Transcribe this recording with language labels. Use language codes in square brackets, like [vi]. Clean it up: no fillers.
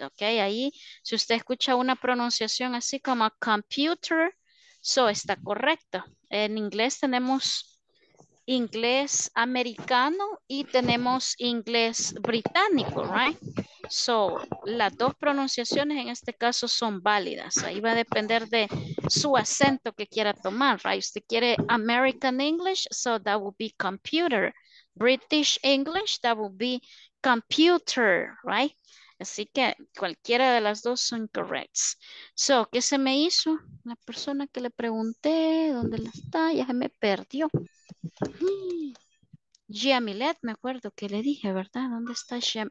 [es] Ok, ahí, si usted escucha una pronunciación así como computer, so, está correcto. En inglés tenemos inglés americano y tenemos inglés británico, [en] right? [es] So, las dos pronunciaciones en este caso son válidas. Ahí va a depender de su acento que quiera tomar, [en] right? [es] Usted quiere [en] American English, so that would be computer. British English, that would be computer, right? [es] Así que cualquiera de las dos son correctas. [en] So, [es] ¿qué se me hizo? La persona que le pregunté, ¿dónde la está? Ya se me perdió. Giamilet, me acuerdo que le dije, ¿verdad? ¿Dónde está Giam?